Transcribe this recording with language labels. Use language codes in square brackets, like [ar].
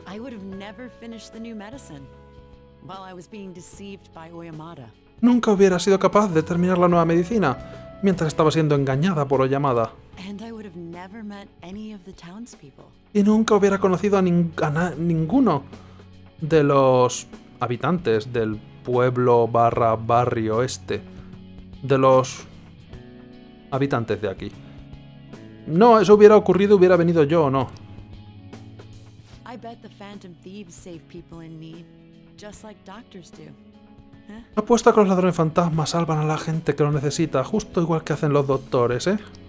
[en] I would have never finished the new medicine while I was being deceived by Oyamada. [es] Nunca hubiera sido capaz de terminar la nueva medicina mientras estaba siendo engañada por Oyamada. [en] And I would have never met any of the townspeople. [es] Y nunca hubiera conocido a ninguno de los habitantes del pueblo barra barrio este. De los habitantes de aquí. No, eso hubiera ocurrido, hubiera venido yo o no. [en] I bet the Phantom Thieves save people in need, just like doctors do. [es] Apuesto a que los ladrones fantasmas salvan a la gente que lo necesita, justo igual que hacen los doctores, ¿eh?